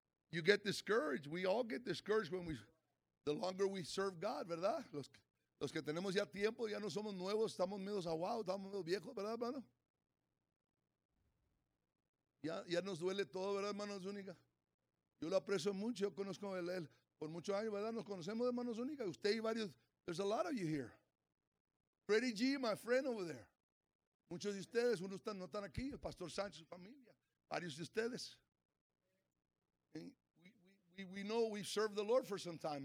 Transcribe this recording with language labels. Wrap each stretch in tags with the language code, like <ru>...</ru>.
<en>You get discouraged. We all get discouraged when we, the longer we serve God,</en> <es>¿verdad? Los que tenemos ya tiempo, ya no somos nuevos, estamos medio aguados, estamos viejos, ¿verdad, hermano? Ya nos duele todo, ¿verdad, hermano Zúñiga? Yo lo aprecio mucho, yo conozco a él por muchos años, ¿verdad? Nos conocemos, hermano Zúñiga. Usted y varios,</es> <en>there's a lot of you here. Freddy G, my friend over there.</en> <es>Muchos de ustedes, unos están, no están aquí, el Pastor Sánchez, su familia, varios de ustedes.</es> <en>And we know we've served the Lord for some time.</en>